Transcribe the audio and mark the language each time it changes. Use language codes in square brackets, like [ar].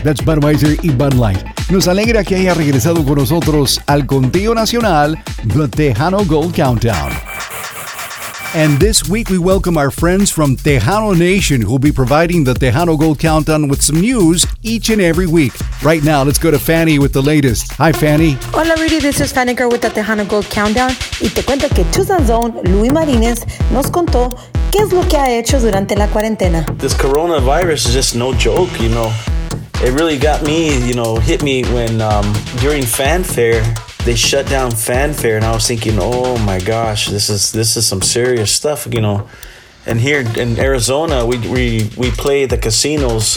[es] That's Budweiser y Bud Light. Nos alegra que haya regresado con nosotros al Conteo Nacional, The Tejano Gold Countdown. [en] And this week we welcome our friends from Tejano Nation who will be providing the Tejano Gold Countdown with some news each and every week. Right now, let's go to Fanny with the latest. Hi, Fanny. [es] Hola, Rudy. [en] This is Fanny Girl with the Tejano Gold Countdown. [es] Y te cuento que [en] Tucson's own [es] Luis Marinez nos contó qué es lo que ha hecho durante la cuarentena. [en] This coronavirus is just no joke, you know. It really got me, you know, hit me when during fanfare. They shut down fanfare, and I was thinking, oh my gosh, this is some serious stuff, you know. And here in Arizona, we play the casinos.